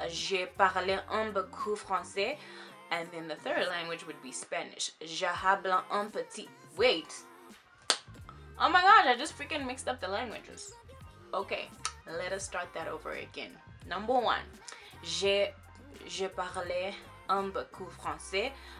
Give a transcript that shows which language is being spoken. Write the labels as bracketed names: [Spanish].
[French] Je parle un peu français. [English] And then the third language would be Spanish. [French] Je habla un petit... [English] Wait. Oh my gosh, I just freaking mixed up the languages. Okay, let us start that over again. Number one. [French] Je parle un peu français.